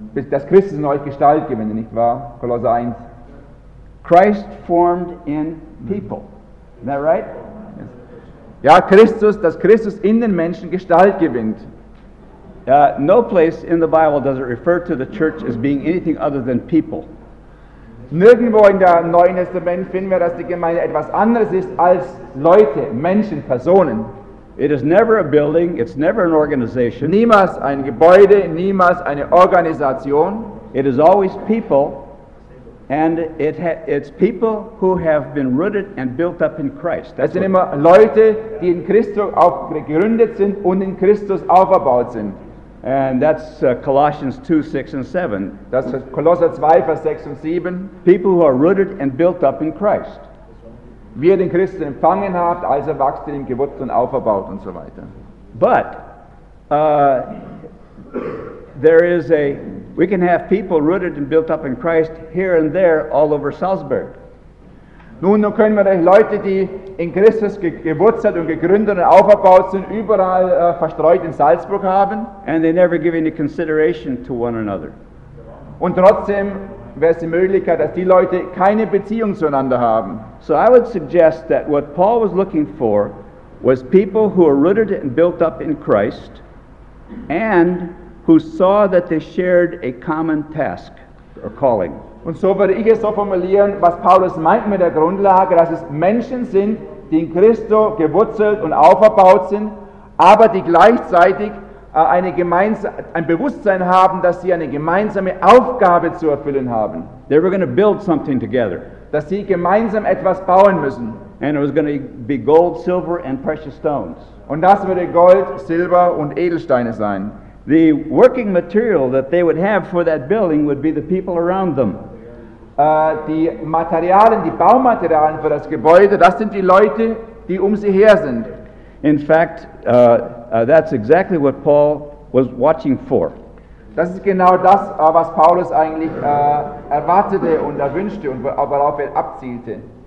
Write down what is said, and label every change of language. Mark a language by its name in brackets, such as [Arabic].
[German] Das Christ ist in euch Gestalt gewinnen, nicht wahr? Kolosser 1. [English] Christ formed in people. Is that right? Yes. [German] Ja, Christus, dass Christus in den Menschen Gestalt gewinnt. [English] No place in the Bible does it refer to the church as being anything other than people. [German] Nirgendwo in der Neuen Testament finden wir, dass die Gemeinde etwas anderes ist als Leute, Menschen, Personen. [English] It is never a building, it's never an organization. [German] Niemals ein Gebäude, niemals eine Organisation. [English] It is always people. And it's people who have been rooted and built up in Christ. [German] Das sind immer Leute, die in Christus gegründet sind und in Christus aufgebaut sind. [English] And that's Colossians 2, 6 and 7. [German] Das ist Kolosser 2, Vers 6 und 7. [English] People who are rooted and built up in Christ. [German] Wie ihr den Christus empfangen habt, als er wächst in ihm gewurzelt und aufgebaut und so weiter. [English] But there is a, we can have people rooted and built up in Christ here and there all over Salzburg. [German] Nun können wir Leute, die in Christus gewurzelt und gegründet und aufgebaut sind, überall verstreut in Salzburg haben. [English] And they never give any consideration to one another. [German] Und trotzdem wäre es die Möglichkeit, dass die Leute keine Beziehung zueinander haben. [English] So I would suggest that what Paul was looking for was people who are rooted and built up in Christ and who saw that they shared a common task or calling. [German] Und so würde ich es so formulieren, was Paulus meint mit der Grundlage, dass es Menschen sind, die in Christo gewurzelt und aufgebaut sind, aber die gleichzeitig ein Bewusstsein haben, dass sie eine gemeinsame Aufgabe zu erfüllen haben. [English] They were going to build something together. [German] Dass sie gemeinsam etwas bauen müssen. [English] And it was going to be gold, silver and precious stones. [German] Und das würde Gold, Silber und Edelsteine sein. [English] The working material that they would have for that building would be the people around them. [German] Die Materialien, die Baumaterialien für das Gebäude, das sind die Leute, die sie her sind. [English] In fact, that's exactly what Paul was watching for. [German] Das ist genau das, was Paulus eigentlich erwartete und erwünschte und worauf abzielte.